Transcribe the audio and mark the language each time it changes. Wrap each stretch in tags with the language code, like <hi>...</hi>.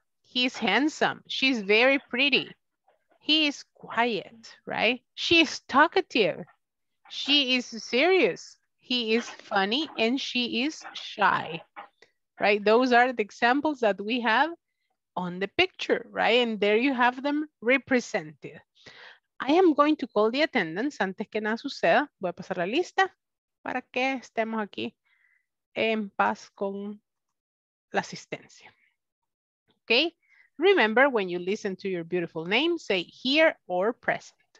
<en>He's handsome. She's very pretty. He is quiet, right? She's talkative. She is serious. He is funny and she is shy, right? Those are the examples that we have on the picture, right? And there you have them represented. I am going to call the attendance.</en> <es>Antes que nada suceda, voy a pasar la lista para que estemos aquí en paz con la asistencia.</es> <en>Okay, remember when you listen to your beautiful name, say here or present.</en>